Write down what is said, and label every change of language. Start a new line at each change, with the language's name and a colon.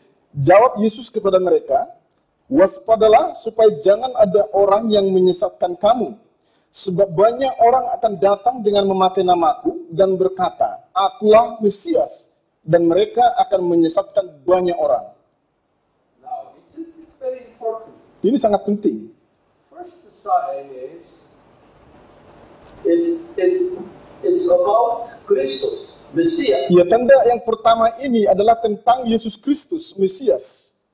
Indonesian: Jawab Yesus kepada mereka, waspadalah supaya jangan ada orang yang menyesatkan kamu. Sebab banyak orang akan datang dengan memakai namaku dan berkata, akulah Mesias, dan mereka akan menyesatkan banyak orang.
English: Now, this is very important.
Indonesian: Ini sangat penting.
English: First sign is about Kristus, Mesias.
Indonesian: Ya, tanda yang pertama ini adalah tentang Yesus Kristus, Mesias.